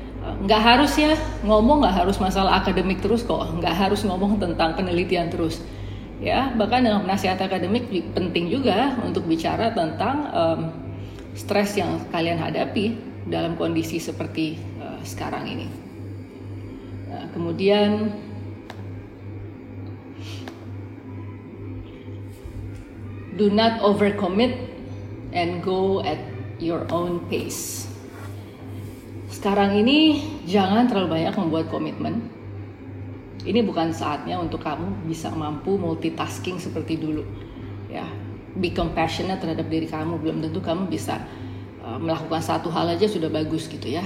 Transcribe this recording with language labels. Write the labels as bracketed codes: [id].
[id] Nggak harus ya ngomong, nggak harus masalah akademik terus kok, nggak harus ngomong tentang penelitian terus. Ya, bahkan dengan penasihat akademik penting juga untuk bicara tentang stres yang kalian hadapi dalam kondisi seperti sekarang ini. Nah, kemudian [en] do not overcommit and go at your own pace. [id] Sekarang ini jangan terlalu banyak membuat komitmen. Ini bukan saatnya untuk kamu bisa mampu multitasking seperti dulu. Ya, [en] be compassionate [id] terhadap diri kamu. Belum tentu kamu bisa melakukan satu hal aja sudah bagus gitu ya.